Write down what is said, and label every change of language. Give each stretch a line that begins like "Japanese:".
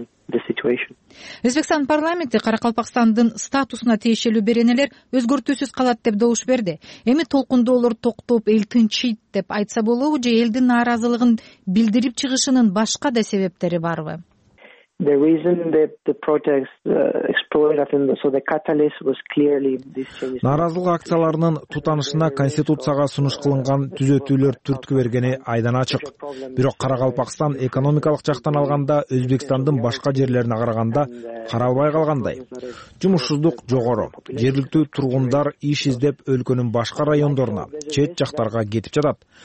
Kyrgyz: Өзбекстан парламенти Каракалпакстандын статусуна тиешелүү беренелер өзгөртүүсүз калат деп добуш берди. Эми толкундоолор токтоп, эл тынчыйт деп айтса болобу же элдин нааразылыгын билдирип чыгышынын башка да себептери барбы?
English: The reason that the protests exploded and so the catalyst was clearly this change.
Kyrgyz: Нааразылык акцияларынын тутанышына конституцияга сунуш кылынган түзөтүүлөр түрткү бергени айдан ачык. Бирок Карагалпакстан экономикалык жактан алганда Өзбекстандын башка жерлерине караганда карабай калгандай. Жумушсуздук жогору. Жергиликтүү тургундар иш издеп өлкөнүн башка райондоруна, чет жактарга кетип жатат.